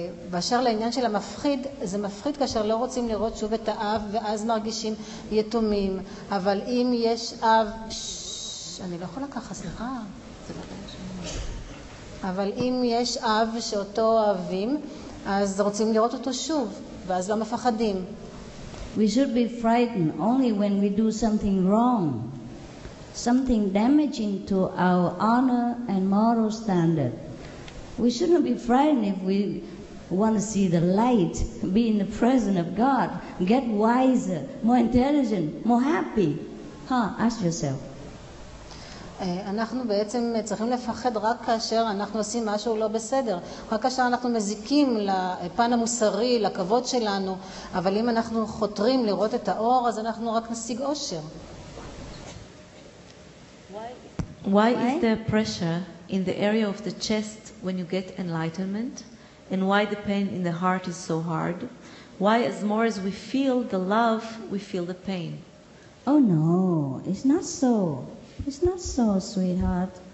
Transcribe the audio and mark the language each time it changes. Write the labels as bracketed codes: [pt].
[he] באשר לעניין של המפחיד, זה מפחיד כאשר לא רוצים לראות שוב את האב ואז מרגישים יתומים. אבל אם יש אב... אני לא יכולה ככה, סליחה. אבל אם יש אב שאותו אוהבים, אז רוצים לראות אותו שוב, ואז לא מפחדים. [en] We should be frightened only when we do something wrong, something damaging to our honor and moral standard. We shouldn't be frightened if we want to see the light, be in the presence of God, get wiser, more intelligent, more happy. Huh? Ask yourself. [he] אנחנו בעצם צריכים לפחד רק כאשר אנחנו עושים משהו לא בסדר, רק כאשר אנחנו מזיקים לפן המוסרי, לכבוד שלנו. אבל אם אנחנו חותרים לראות את האור, אז אנחנו רק נשיג אושר. [en] Why is there pressure in the area of the chest when you get enlightenment, and why the pain in the heart is so hard? Why as more as we feel the love, we feel the pain? Oh no, it's not so. It's not so, sweetheart.